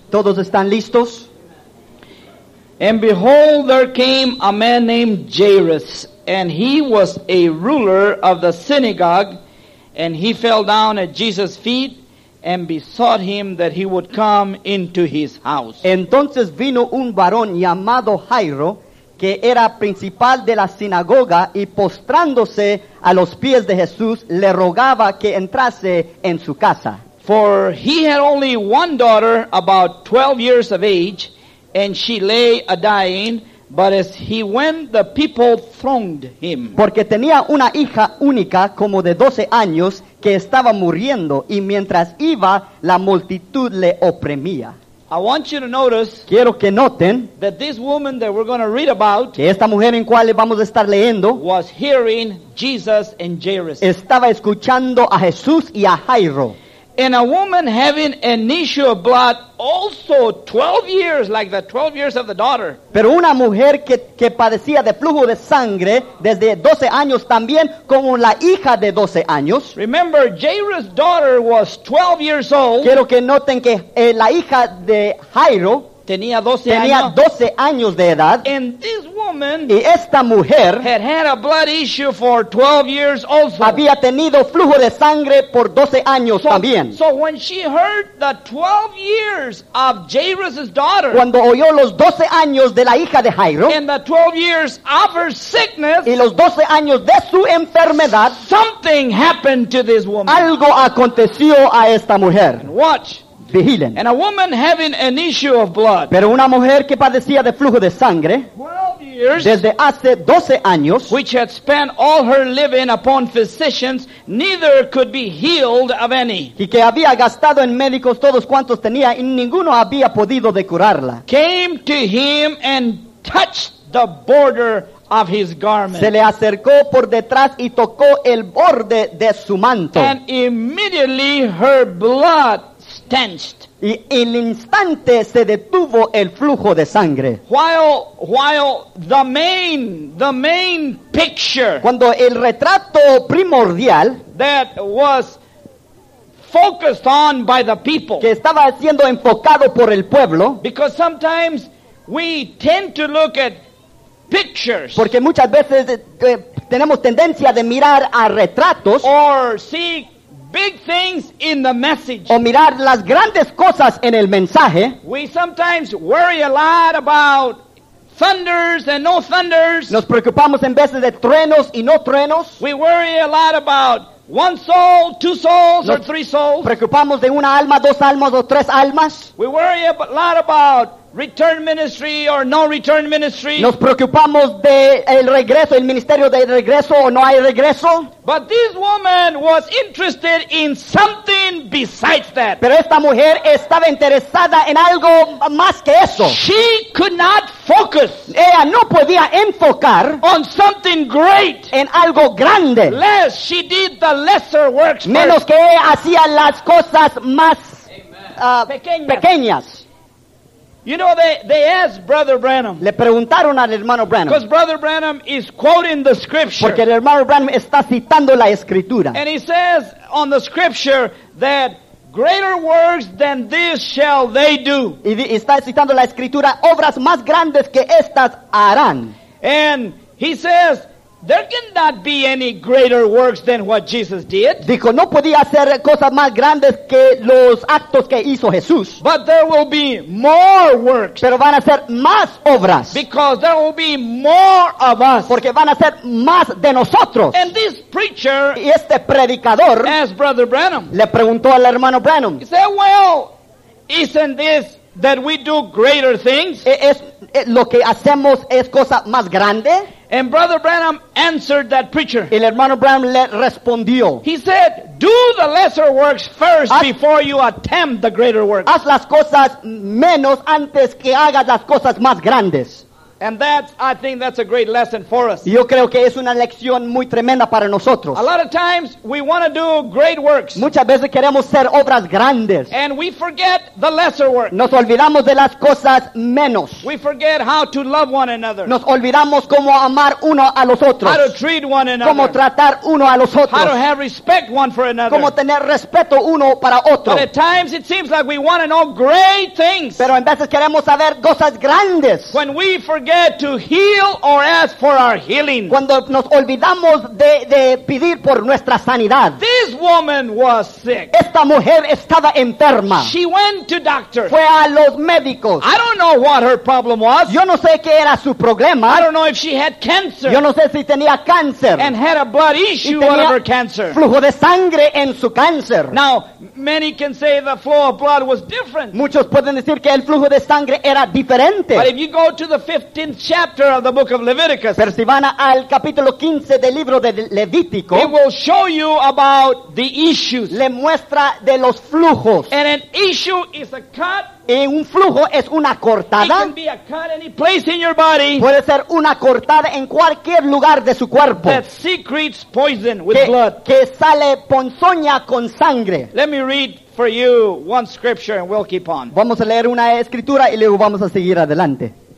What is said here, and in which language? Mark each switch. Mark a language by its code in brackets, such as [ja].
[es] Todos están listos. [en] And behold, there came a man named Jairus, and he was a ruler of the synagogue, and he fell down at Jesus' feet and besought him that he would come into his house. [es] Entonces vino un varón llamado Jairo, que era principal de la sinagoga, y postrándose a los pies de Jesús, le rogaba que entrase en su casa. [en] For he had only one daughter, about 12 years of age, and she lay a dying. But as he went, the people thronged him. [es] Porque tenía una hija única, como de 12 años, que estaba muriendo, y mientras iba, la multitud le oprimía. [en] I want you to notice. [es] Quiero que noten [en] that this woman that we're going to read about, [es] que esta mujer en cual vamos a estar leyendo, [en] was hearing Jesus and Jairus. [es] Estaba escuchando a Jesús y a Jairo. [en] And a woman having an issue of blood also 12 years, like the 12 years of the daughter. [es] Pero una mujer que padecía de flujo de sangre desde 12 años también, como la hija de 12 años. [en] Remember, Jairus' daughter was 12 years old. [es] Quiero que noten que la hija de Jairo tenía 12, tenía 12 años de edad. [en] And this woman, [es] y esta mujer, [en] had a blood issue for 12 years also. [es] Había tenido flujo de sangre por 12 años [en] so, [es] también. [en] So when she heard the 12 years of Jairus's daughter, [es] cuando oyó los 12 años de la hija de Jairo, [en] and the 12 years of her sickness, [es] y los 12 años de su enfermedad, [en] something happened to this woman. [es] Algo aconteció a esta mujer. [en] And watch. [es] Vigilen. [en] And a woman having an issue of blood. [es] Pero una mujer que padecía de flujo de sangre. [en] 12 years. [es] Desde hace 12 años. [en] Which had spent all her living upon physicians, neither could be healed of any. [es] Y que había gastado en médicos todos cuantos tenía, y ninguno había podido de curarla. [en] Came to him and touched the border of his garment. [es] Se le acercó por detrás y tocó el borde de su manto. [en] And immediately her blood tensed. [es] Y el instante se detuvo el flujo de sangre. [en] While the main picture, [es] cuando el retrato primordial, [en] that was focused on by the people, [es] que estaba siendo enfocado por el pueblo, [en] because sometimes we tend to look at pictures, [es] porque muchas veces tenemos tendencia de mirar a retratos, [en] or see big things in the message. [es] O mirar las grandes cosas en el mensaje. [en] We sometimes worry a lot about thunders and no thunders. [es] Nos preocupamos en veces de truenos y no truenos. [en] We worry a lot about one soul, two souls, or three souls. [es] Nos preocupamos de una alma, dos almas, o tres almas. [en] We worry a lot about return ministry or no return ministry. [es] Nos preocupamos de el regreso, el ministerio de regreso o no hay regreso. [en] But this woman was interested in something besides that. [es] Pero esta mujer estaba interesada en algo más que eso. [en] She could not focus. [es] Ella no podía enfocar [en] on something great. [es] En algo grande. [en] Less she did the lesser works. [es] Menos [en] first. [es] Que ella hacía las cosas más pequeñas. [en] You know, they asked Brother Branham. [es] Le preguntaron al hermano Branham. [en] Because Brother Branham is quoting the scripture. [es] Porque el hermano Branham está citando la escritura. [en] And he says on the scripture that greater works than this shall they do. [es] Y está citando la escritura, obras más grandes que estas harán. [en] And he says, there cannot be any greater works than what Jesus did. [es] Dijo, no podía hacer cosas más grandes que los actos que hizo Jesús. [en] But there will be more works. [es] Pero van a ser más obras. [en] Because there will be more of us. [es] Porque van a ser más de nosotros. [en] And this preacher, [es] y este predicador, [en] asked Brother Branham, [es] le preguntó al hermano Branham, [en] he said, well, isn't this that we do greater things? [es] Lo que hacemos es cosa más grande. [en] And Brother Branham answered that preacher. [es] El hermano Branham le respondió. [en] He said, do the lesser works first before you attempt the greater works. [es] Haz las cosas menos antes que hagas las cosas más grandes. [en] And that, I think that's a great lesson for us. [es] Yo creo que es una lección muy tremenda para nosotros. [en] A lot of times we want to do great works. [es] Muchas veces queremos hacer obras grandes. [en] And we forget the lesser works. [es] Nos olvidamos de las cosas menos. [en] We forget how to love one another. [es] Nos olvidamos cómo amar uno a los otros. [en] How to treat one another. [es] Cómo tratar uno a los otros. [en] How to have respect one for another. [es] Cómo tener respeto uno para otro. [en] But at times it seems like we want to know great things. [es] Pero en veces queremos saber cosas grandes. [en] When we forget to heal or ask for our healing. [es] Cuando nos olvidamos de pedir por nuestra sanidad. [en] This woman was sick. [es] Esta mujer estaba enferma. [en] She went to doctor. [es] Fue a los médicos. [en] I don't know what her problem was. [es] Yo no sé qué era su problema. [en] I don't know if she had cancer. [es] Yo no sé si tenía cáncer. [en] And had a blood issue out of her cancer. [es] Flujo de sangre en su cáncer. [en] Now, many can say the flow of blood was different. [es] Muchos pueden decir que el flujo de sangre era diferente. [en] But if you go to the 15th chapter of the book of Leviticus, [es] pero si van al capítulo 15 del libro de Levítico, [en] it will show you about the issues. [es] Le muestra de los flujos. [en] And an issue is a cut. [es] Y un flujo es una cortada. [en] It can be a cut any place in your body. [es] Puede ser una cortada en cualquier lugar de su cuerpo. [en] That secretes poison with [es] que, [en] blood. [es] Que sale ponzoña con sangre. [en] Let me read for you one scripture and we'll keep on. [es] Vamos a leer una escritura y luego vamos a seguir adelante.